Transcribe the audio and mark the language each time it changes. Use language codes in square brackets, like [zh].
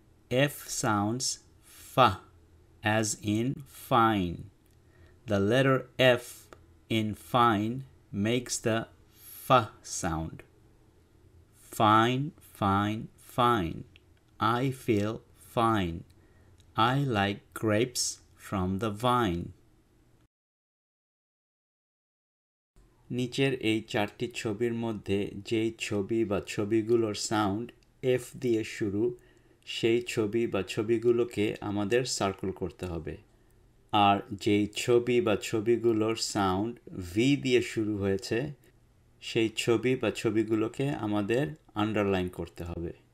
[en] F sounds fa as in fine. The letter F in fine makes the fa sound. Fine fine Fine. I feel fine. I like grapes from the vine. [bn] নিচের এই চারটি ছবির মধ্যে যেই ছবি বা ছবিগুলোর সাউন্ড এফ দিয়ে শুরু সেই ছবি বা ছবিগুলোকে আমাদের সার্কেল করতে হবে। আর যেই ছবি বা ছবিগুলোর সাউন্ড ভি দিয়ে শুরু হয়েছে সেই ছবি বা ছবিগুলোকে আমাদের আন্ডারলাইন করতে হবে।